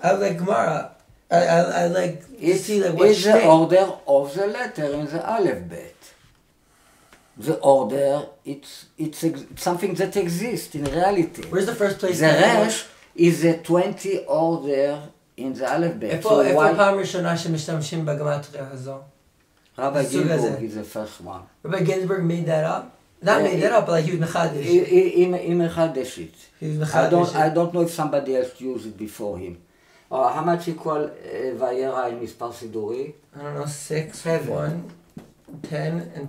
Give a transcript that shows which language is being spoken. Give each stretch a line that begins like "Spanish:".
English: I like Gemara. I like, it's, see, like, what it's the think. Order of the letter in the alphabet. The order, it's something that exists in reality. Where's the first place? The Resh is the 20 order in the alphabet.
Hebrew: איפה,
English: so
Hebrew: איפה פעם ראשונה שמשתמשים בגמטריה הזו?
English: רבי גינזבורג is the first one. רבי גינזבורג made that up? Not made that up, but like he was מחדש. He מחדש it. I don't know if somebody else used it before him. Or how much he called Vayera in
Hebrew: מספר סידורי?
English: I don't know, 6, 1, 10 and